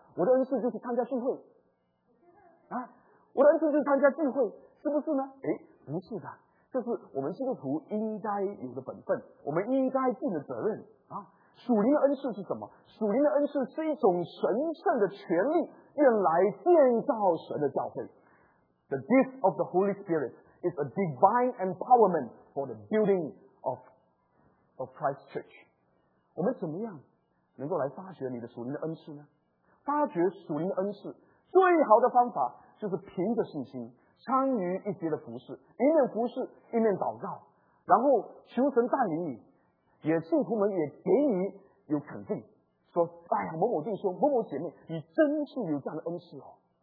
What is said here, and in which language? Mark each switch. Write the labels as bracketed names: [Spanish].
[Chinese] 我的恩赐就是参加聚会啊，我的恩赐就是参加聚会，是不是呢？诶，不是的，这是我们基督徒应该有的本分，我们应该尽的责任啊。属灵的恩赐是什么？属灵的恩赐是一种神圣的权力，用来建造神的教会。 [English] The gift of the Holy Spirit is a divine empowerment for the building of Christ Church。 [Chinese] 我们怎么样能够来发掘你的属灵的恩赐呢？发掘属灵的恩赐最好的方法就是凭着信心参与一些的服事，一面服事一面祷告，然后求神带领你，也信徒们也给你有肯定，说哎呀，某某弟兄某某姐妹你真是有这样的恩赐哦。